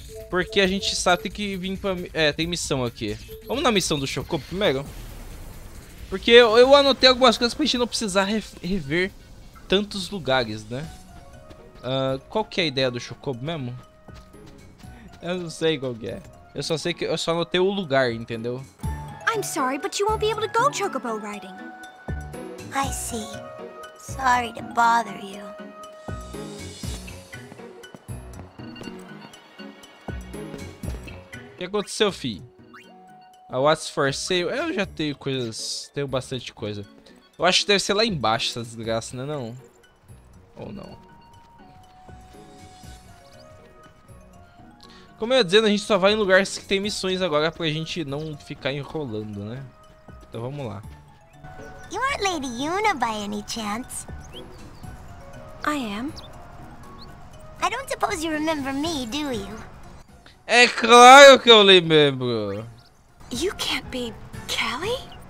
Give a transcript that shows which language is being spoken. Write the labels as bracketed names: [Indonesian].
[Portuguese] Porque a gente sabe, tem que vir pra... É, tem missão aqui. Vamos na missão do Chocobo primeiro? Porque eu anotei algumas coisas pra gente não precisar rever tantos lugares, né? Qual que é a ideia do Chocobo mesmo? Eu não sei qual que é. Eu só sei que eu só anotei o lugar, entendeu? [English] I'm sorry, but you won't be able to go chocobo riding. I see. Sorry to bother you. [Portuguese] O que aconteceu, fi? A What's for Sale? Eu já tenho coisas. Tenho bastante coisa. Eu acho que deve ser lá embaixo essa desgraça, né? Não? Ou não? Como eu ia dizendo, a gente só vai em lugares que tem missões agora pra gente não ficar enrolando, né? Então vamos lá. [English] You aren't Lady Yuna by any chance? I am. I don't suppose you remember me, do you? [Portuguese] É claro que eu lembro. [English] You can't be Callie?